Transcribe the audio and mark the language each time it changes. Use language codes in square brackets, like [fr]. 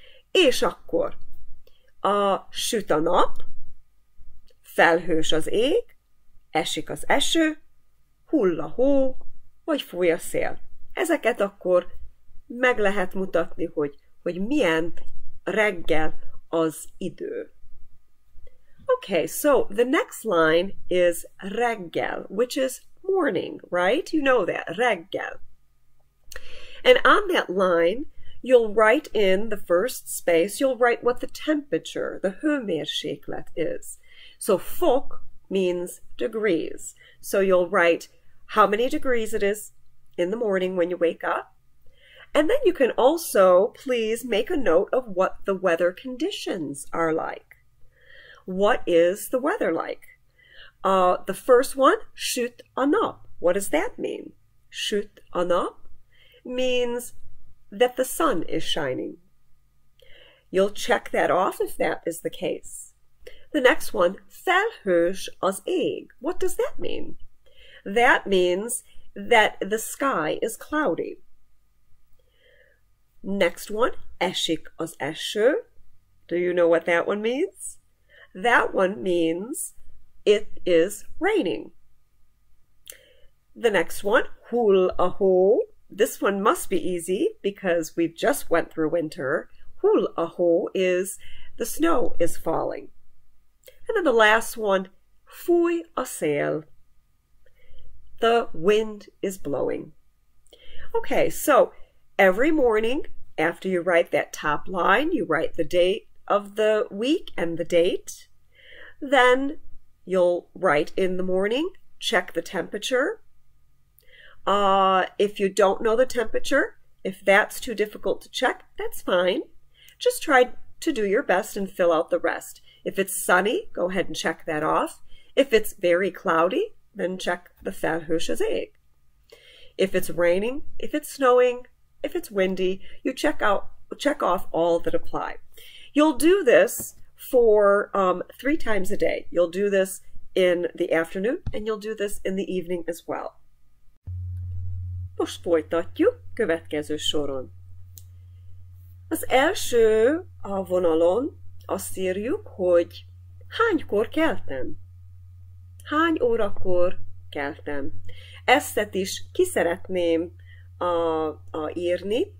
[hu] És akkor a süt a nap, felhős az ég, esik az eső, hull a hó, vagy fúj a szél. Ezeket akkor meg lehet mutatni, hogy milyen reggel az idő. [en] Okay, so the next line is reggel, which is morning, right? You know that, reggel. And on that line, you'll write in the first space, you'll write what the temperature, the hőmérséklet is. So fok means degrees. So you'll write how many degrees it is in the morning when you wake up. And then you can also please make a note of what the weather conditions are like. What is the weather like? The first one, [hu] süt a nap. [en] What does that mean? [hu] Süt a nap [en] means that the sun is shining. You'll check that off if that is the case. The next one, [hu] felhős az ég. [en] What does that mean? That means that the sky is cloudy. Next one, [hu] esik az eső. [en] Do you know what that one means? That one means it is raining. The next one, [hu] hull a hó. [en] This one must be easy because we've just went through winter. [hu] Hull a hó [en] is the snow is falling. And then the last one, [hu] fúj a szél. [en] The wind is blowing. Okay, so every morning after you write that top line, you write the date of the week and the date. Then you'll write in the morning, check the temperature. If you don't know the temperature, if that's too difficult to check, that's fine. Just try to do your best and fill out the rest. If it's sunny, go ahead and check that off. If it's very cloudy, then check the [hu] felhős az ég. [en] If it's raining, if it's snowing, if it's windy, you check off all that apply. You'll do this for 3 times a day. You'll do this in the afternoon, and you'll do this in the evening as well. [hu] Most folytatjuk következő soron. Az első a vonalon azt írjuk, hogy hánykor keltem? Hány órakor keltem? Ezt is ki szeretném írni.